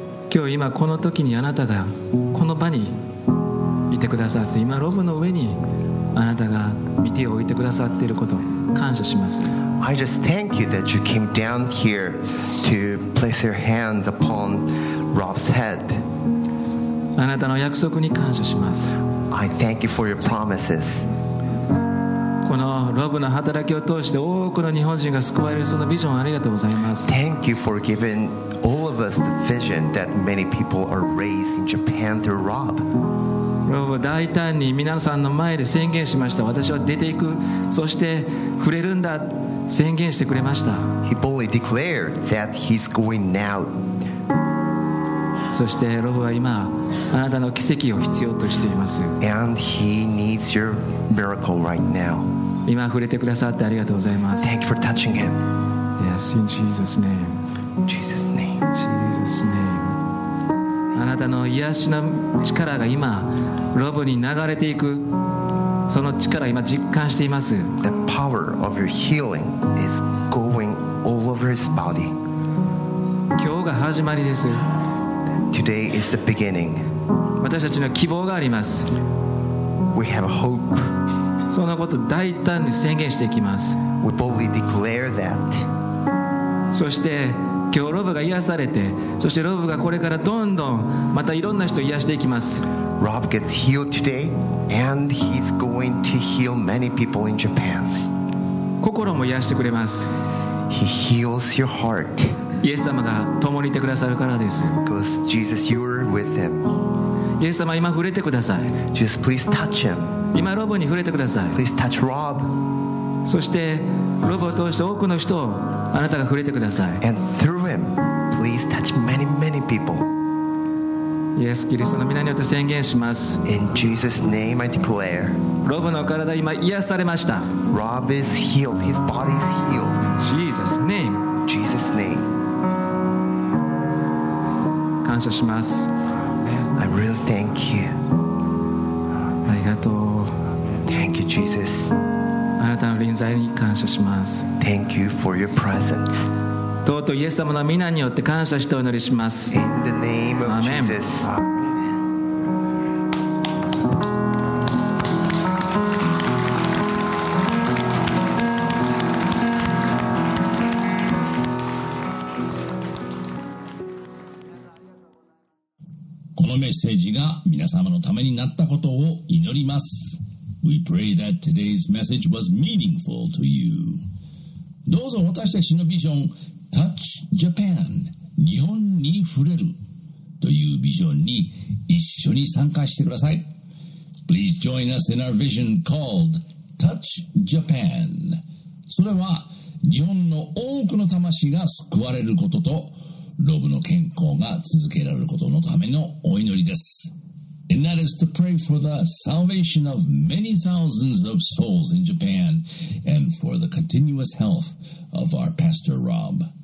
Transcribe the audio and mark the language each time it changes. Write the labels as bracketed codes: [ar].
[ja] 今日今この時にあなたがこの場にいてくださって、今ロブの上にあなたが御手を置いてくださっていること感謝します。 [en] I just thank you that you came down here to place your hands upon Rob's head. [ja] あなたの約束に感謝します。 [en] I thank you for your promises. [ja] このロブの働きを通して多くの日本人が救われるそのビジョンありがとうございます。 [en] Thank you for giving all of us the vision that many people are raised in Japan through Rob. [ja] ロブ大胆に皆さんの前で宣言しました。私は出ていく、そして触れるんだ宣言してくれました。 [en] He boldly declared that he's going now. [ja] そしてロブは今あなたの奇跡を必要としています。 [en] And he needs your miracle right now. [ja] 今触れてくださってありがとうございます。 [en] Thank you for touching him. Yes, in Jesus' name. Jesus' name. Jesus' name. [ja] あなたの癒しの力が今ロブに流れていく、その力を今実感しています。 [en] The power of your healing is going all over his body. [ja] 今日が始まりです。 [en] Today is the beginning. [ja] 私たちの希望があります。 [en] We have hope. [ja] そのことを大胆に宣言していきます。 [en] We boldly declare that. [ja] そして今日ロブが癒されて、そしてロブがこれからどんどんまたいろんな人を癒していきます。 [en] Rob gets healed today and he's going to heal many people in Japan. [ja] 心も癒してくれます。 [en] He heals your heart. [ja] イエス様が共にいてくださるからです。 [en] Because Jesus, you're with him. [ja] イエス様、今触れてください。 [en] Jesus, please touch him. [ja] 今ロブに触れてください。 [en] Please touch Rob. [ja] そしてロブを通して多くの人をあなたが触れてください。 [en] And through him, please touch many, many people. [ja] イエス・キリストの皆によって宣言します。 [en] In Jesus' name, I declare. [ja] ロブの体今癒されました。 [en] Rob is healed. His body is healed. Jesus' name. Jesus' name. [ja] 感謝します。 [en] I really thank you. [ja] ありがとう。 [en] Thank you, Jesus. [ja] あなたの臨在に感謝します。 [en] Thank you for your presence. [ja] とうとうイエス様の皆によって感謝してお祈りします。 [en] In the name of Jesus. [ja] このメッセージが皆様のためになったことを祈ります。 [en] We pray that today's message was meaningful to you. [ja] どうぞ私たちのビジョン、Touch Japan、日本に触れるというビジョンに一緒に参加してください。 [en] Please join us in our vision called Touch Japan. [ja] それは日本の多くの魂が救われることと、ロブの健康が続けられることのためのお祈りです。 [en] And that is to pray for the salvation of many thousands of souls in Japan and for the continuous health of our Pastor Rob.